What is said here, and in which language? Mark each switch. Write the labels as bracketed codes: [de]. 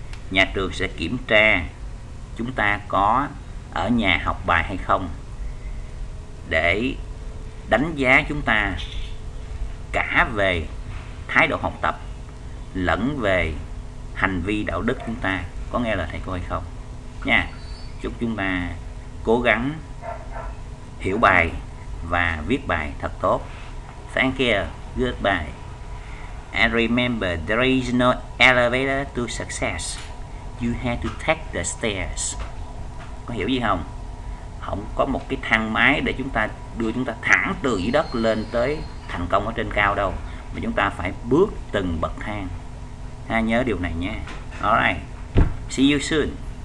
[vi] Nhà trường sẽ kiểm tra chúng ta có ở nhà học bài hay không để đánh giá chúng ta cả về thái độ học tập lẫn về hành vi đạo đức chúng ta có nghe lời thầy cô hay không nha. chúc chúng ta cố gắng hiểu bài và viết bài thật tốt. [en] Thank you. Goodbye. And remember, there is no elevator to success. You have to take the stairs. [vi] Có hiểu gì không? Không có một cái thang máy để chúng ta đưa chúng ta thẳng từ dưới đất lên tới thành công ở trên cao đâu. Mà chúng ta phải bước từng bậc thang. Ha, nhớ điều này nha. [en] Alright. See you soon.